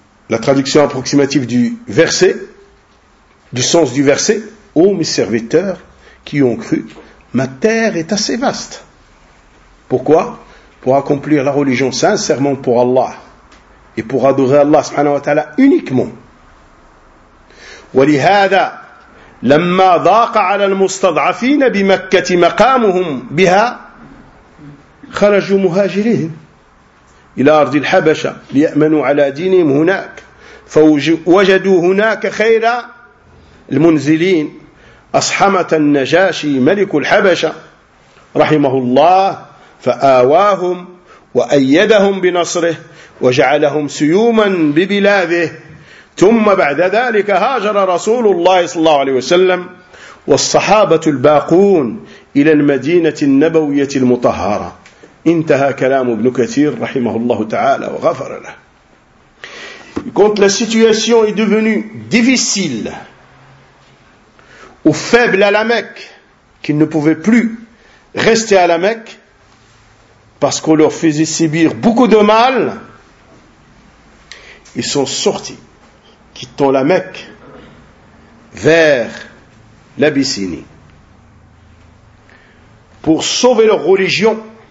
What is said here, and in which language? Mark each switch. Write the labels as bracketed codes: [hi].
[fr] La traduction approximative du verset, du sens du verset: ô mes serviteurs qui ont cru, ma terre est assez vaste. Pourquoi? Pour accomplir la religion sincèrement pour Allah. Et pour adorer Allah subhanahu wa ta'ala uniquement. [ar] ولهذا لما ضاق على المستضعفين بمكة مقامهم بها خرجوا مهاجرين إلى أرض الحبشة ليأمنوا على دينهم هناك فوجدوا هناك خير المنزلين أصحمة النجاشي ملك الحبشة رحمه الله فآواهم وأيدهم بنصره وجعلهم سيوما ببلاده ثم بعد ذلك هاجر رسول الله صلى الله عليه وسلم والصحابة الباقون إلى المدينة النبوية المطهرة. انتهى كلام ابن كثير رحمه الله تعالى وغفر له. [fr] Quand la situation est devenue difficile ou faible à la Mecque, qu'il ne pouvait plus rester à la Mecque parce qu'on leur faisait subir beaucoup de mal, ils sont sortis, quittant la Mecque, vers l'Abyssinie, pour sauver leur religion